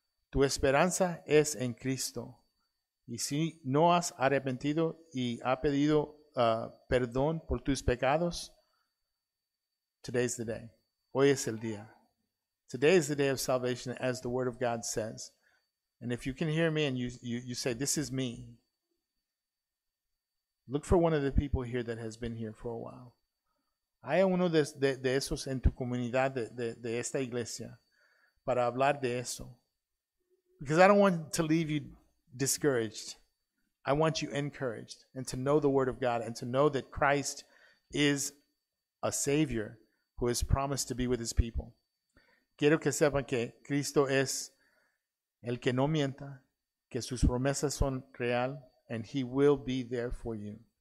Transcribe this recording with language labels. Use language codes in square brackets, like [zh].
[es] Tu esperanza es en Cristo. Y si no has arrepentido y ha pedido perdón por tus pecados, [en] today's the day. [es] Hoy es el día. [en] Today is the day of salvation, as the Word of God says. And if you can hear me and you say, this is me, look for one of the people here that has been here for a while. [es] Hay uno de esos en tu comunidad de esta iglesia para hablar de eso. [en] Because I don't want to leave you discouraged. I want you encouraged and to know the Word of God and to know that Christ is a Savior who has promised to be with His people. [es] Quiero que sepan que Cristo es el que no mienta, que sus promesas son real, [en] and He will be there for you.